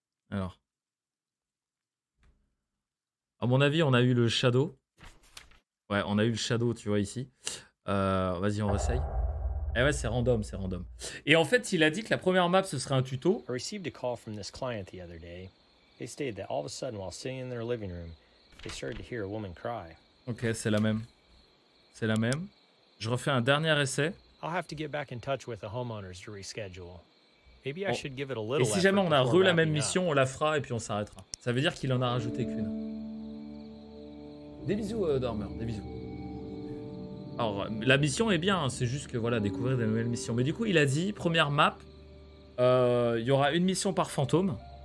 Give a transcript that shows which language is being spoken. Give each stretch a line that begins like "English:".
French: Alors. À mon avis, on a eu le Shadow. Ouais, on a eu le Shadow, tu vois, ici. Vas-y, on réessaye. Eh ouais, c'est random, c'est random. Et en fait, il a dit que la première map, ce serait un tuto. J'ai reçu un
English: call from this client the other day. They stated that all of a sudden, while sitting in their living room, they started to hear a woman cry.
French: Ok, c'est la même. C'est la même. Je refais un dernier essai.
English: I'll have to get back in touch with the homeowners to reschedule. Maybe I should give it a little.
French: Et si jamais on a re la même mission, on la fera et puis on s'arrêtera. Ça veut dire qu'il en a rajouté qu'une. Des bisous, dormeur. Des bisous. Alors, la mission est bien. C'est juste que voilà, découvrir des nouvelles missions. Mais du coup, il a dit première map, il y aura une mission par fantôme.